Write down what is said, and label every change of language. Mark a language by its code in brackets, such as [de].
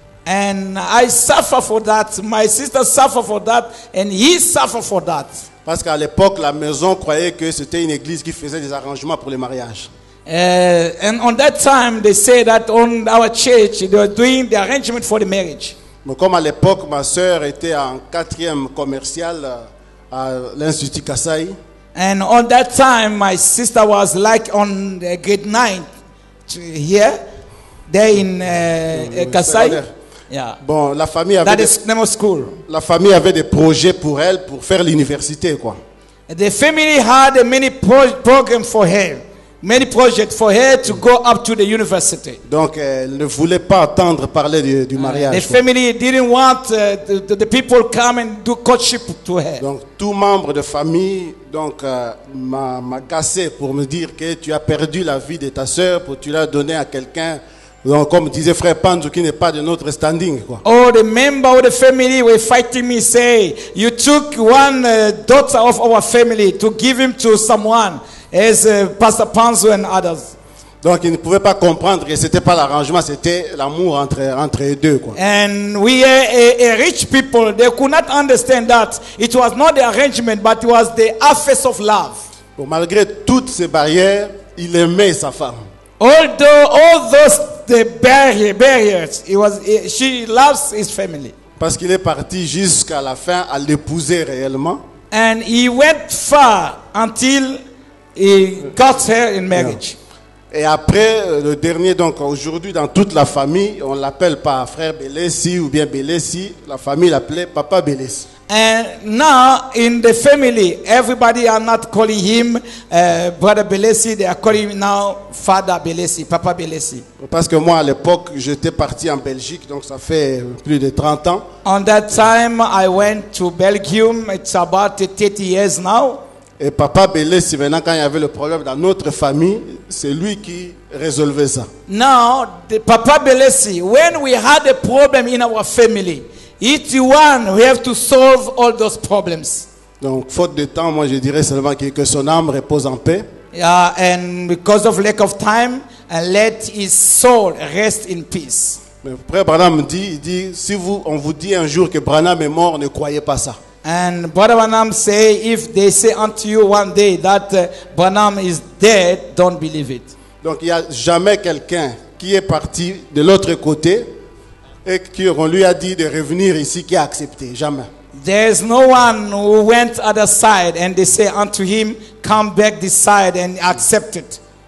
[en] And I suffer for that, my sister suffer for that, and he suffer for that. [fr] Parce qu'à l'époque, la maison croyait que c'était une église qui faisait des arrangements pour les mariages. [en] And on that time, they say that on our church they were doing the arrangement for the marriage. [fr] Mais comme à l'époque, ma sœur était en quatrième commercial à l'Institut Kasai. [en] And on that time, my sister was like on the grade 9 here, there in Kasai. Yeah. [fr] Bon, la famille avait [en] that is the name of school. [fr] La famille avait des projets pour elle pour faire l'université, quoi. [en] The family had many program for her. Many projects for her to go up to the university. [fr] Donc, elle ne voulait pas entendre parler du mariage. [en] The family didn't want the people come and do courtship to her. [fr] Donc, tout membre de famille donc m'a cassé pour me dire que tu as perdu la vie de ta sœur pour tu l'as donnée à quelqu'un. Donc, comme disait frère Panzu, qui n'est pas de notre standing, quoi. [en] Oh, the member of the family were fighting me, say, you took one daughter of our family to give him to someone. As Pastor Panzo and others. [fr] Donc ils ne pouvaient pas comprendre que c'était pas l'arrangement, c'était l'amour entre les deux, quoi. [en] And we are a rich people, they could not understand that it was not the arrangement but it was the affairs of love. [fr] Bon, malgré toutes ces barrières, il aimait sa femme. [en] Although all those the barriers, she loves his family. [fr] Parce qu'il est parti jusqu'à la fin à l'épouser réellement. [en] And he went far until he got her in marriage. [fr] Et après le dernier, donc aujourd'hui dans toute la famille, on l'appelle pas frère Bélessi ou bien Bélessi, la famille l'appelait papa Bélessi. [en] And now in the family, everybody are not calling him brother Bélessi, they are calling him now father Bélessi, papa Bélessi. [fr] Parce que moi à l'époque, j'étais parti en Belgique, donc ça fait plus de 30 ans. [en] On that time I went to Belgium, it's about 30 years now. [fr] Et papa Bélessi, maintenant, quand il y avait le problème dans notre famille, c'est lui qui résolvait ça. [en] Now, the papa Bélessi, when we had a problem in our family, it's one we have to solve all those problems. [fr] Donc, faute de temps, moi, je dirais seulement que son âme repose en paix. [en] Yeah, and because of lack of time, let his soul rest in peace. [fr] Mais frère Branham dit, si vous, on vous dit un jour que Branham est mort, ne croyez pas ça. [en] And Brother Branham say, if they say unto you one day that Branham is dead, don't believe it. [fr] Donc il y a jamais quelqu'un qui est parti de l'autre côté et qui on lui a dit de revenir ici qui a accepté, jamais. [en] There's no one who went other side and they say unto him, come back this side and accept it.